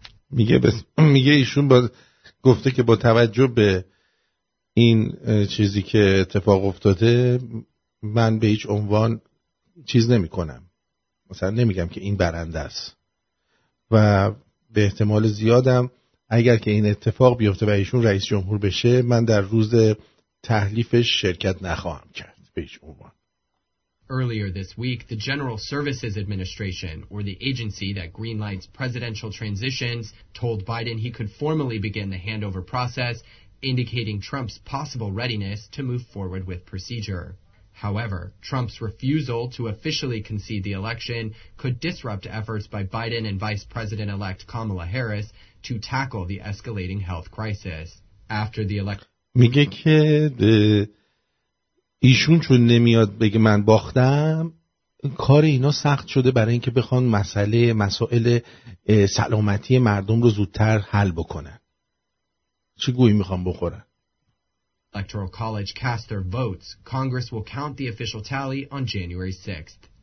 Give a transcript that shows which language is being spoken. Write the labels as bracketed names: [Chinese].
[Persian] میگه ایشون گفته که با توجه به این چیزی که اتفاق افتاده من به هیچ عنوان چیز نمی کنم. مثلا نمیگم که این برنده است. و به احتمال زیادم اگر که این اتفاق بیفته و ایشون رئیس جمهور بشه من در روز تحلیفش شرکت نخواهم کرد به هیچ عنوان. [English] Earlier this week, the General Services Administration, or the agency that greenlights presidential transitions, told Biden he could formally begin the handover process, indicating Trump's possible readiness to move forward with procedure. However, Trump's refusal to officially concede the election could disrupt efforts by Biden and Vice President-elect Kamala Harris to tackle the escalating health crisis. After the election... [Persian] میگه که ایشون چون نمیاد بگه من باختم کار اینا سخت شده برای اینکه بخوان مسائل سلامتی مردم رو زودتر حل بکنن. چی گویی میخوان بخورن؟ [English] Electoral College cast their votes. Congress will count the official tally on January 6th.